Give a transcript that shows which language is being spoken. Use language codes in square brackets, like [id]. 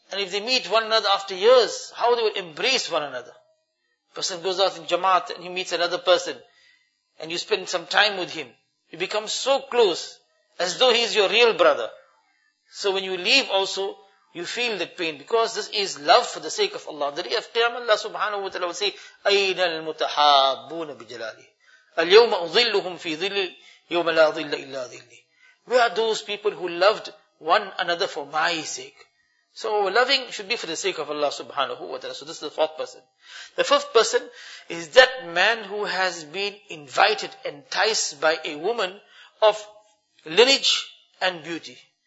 [en] And if they meet one another after years, how they will embrace one another. Person goes out in Jamaat, and he meets another person, and you spend some time with him. You become so close, as though he is your real brother. So when you leave also, you feel that pain, because this is love for the sake of Allah. The day of Qiyamah, Allah subhanahu wa ta'ala will say, [ar] أَيْنَ الْمُتَحَابُونَ بِجَلَالِهِ الْيَوْمَ أُظِلُّهُمْ فِي ظِلِّ يَوْمَ لَا ظِلَّ إِلَّا ظِلِّ. [en] Where are those people who loved one another for my sake? So loving should be for the sake of Allah subhanahu wa ta'ala. So this is the fourth person. The fifth person is that man who has been invited, enticed by a woman of lineage and beauty.